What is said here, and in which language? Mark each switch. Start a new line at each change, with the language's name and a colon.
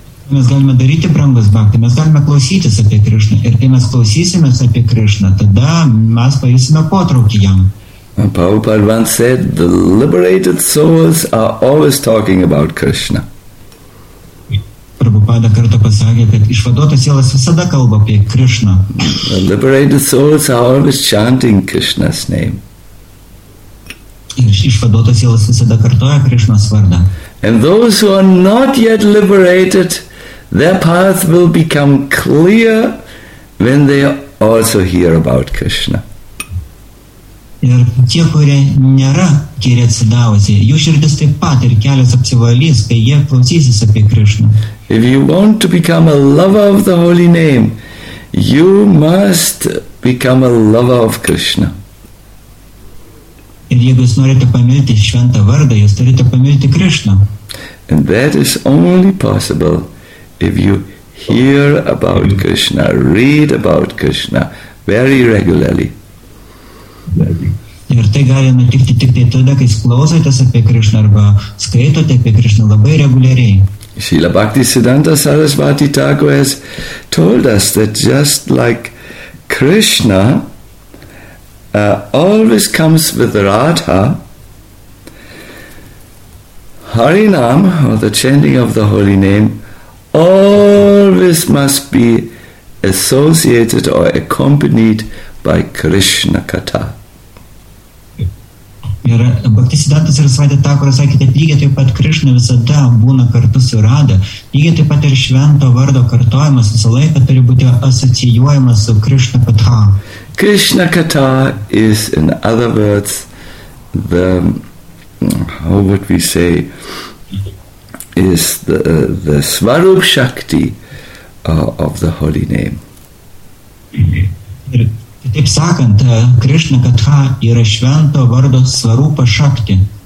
Lithuanian: Mes galime daryti brangus bakti, mes galime klausytis apie Krishna, ir kai mes klausysimės apie Krishna, tada mes pajusime potraukį jam.
English: Prabhupada once said, the liberated souls are always talking about Krishna.
Lithuanian: Prabhupada kartą pasakė, kad išvaduotas sielas visada kalba apie Krishna.
English: The liberated souls are always chanting Krishna's name.
Lithuanian: Ir išvaduotas sielas visada kartoja Krishna's vardą.
English: And those who are not yet liberated, their path will become clear when they also hear about Krishna.
Lithuanian: Ir tie, kurie nėra geri atsidavusi, jų širdis taip pat ir kelias apsivalys, kai jie klausysis apie Krishną.
English: If you want to become a lover of the holy name, you must become a lover of Krishna.
Lithuanian: Ir jeigu jūs norite pamilti šventą vardą, jūs turite pamilti Krishną.
English: And that is only possible if you hear about Krishna, read about Krishna very regularly.
Lithuanian: Ir tai gali nutikti tik tada, kai klausotės apie Krishna arba skaitote apie Krishna labai reguliariai.
English: Srila Bhaktisiddhanta Sarasvati Thakur has told us that just like Krishna always comes with Radha, Harinam, or the chanting of the holy name, always must be associated or accompanied by Krishna Katha.
Lithuanian: Ir Bhaktisiddhanta Sarasvati Thakur sakė, kad lygiai taip pat Krishna visada būna kartu su Radha, lygiai taip pat ir švento vardo kartojimas visą laiką turi būti asocijuojamas su Krishna Katha.
English: Krishna Katha is, in other words, the, how would we say, is the Svarup Shakti of the holy name.
Lithuanian: Taip sakant, Krishna Katha yra švento vardo Svarupa Shakti.